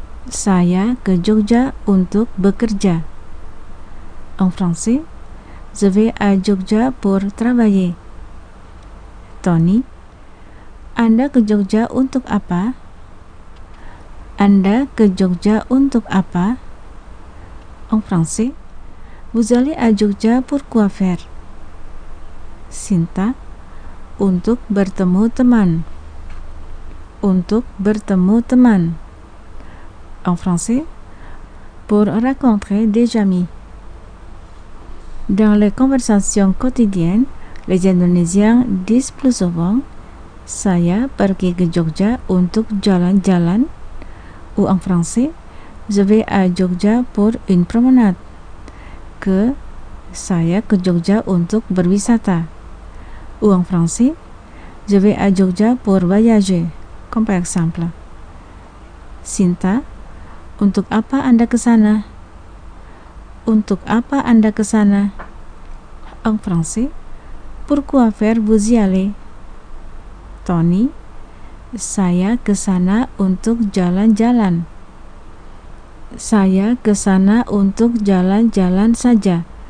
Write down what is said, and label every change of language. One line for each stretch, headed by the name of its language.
Indonesian: Saya ke Jogja untuk bekerja.
French: En français, je vais à Jogja pour travailler.
Indonesian: Tony, Anda ke Jogja untuk apa? Anda ke Jogja untuk apa?
French: En français, vous allez à Jogja pour quoi faire?
Indonesian: Sinta, untuk bertemu teman. Untuk bertemu teman.
French: En français, pour rencontrer des amis. Dans les conversations quotidiennes, les Indonésiens disent plus souvent
Indonesian: Saya pergi ke Jogja untuk jalan-jalan.
French: Ou en français, je vais à Jogja pour une promenade.
Indonesian: Ke Saya ke Jogja untuk berwisata.
French: Ou en français, je vais à Jogja pour voyager. Comme par exemple.
Indonesian: Sinta, untuk apa Anda ke sana? Untuk apa Anda ke sana?
French: En français, pourquoi faire vous y aller?
Indonesian: Tony, saya ke sana untuk jalan-jalan. Saya ke sana untuk jalan-jalan saja.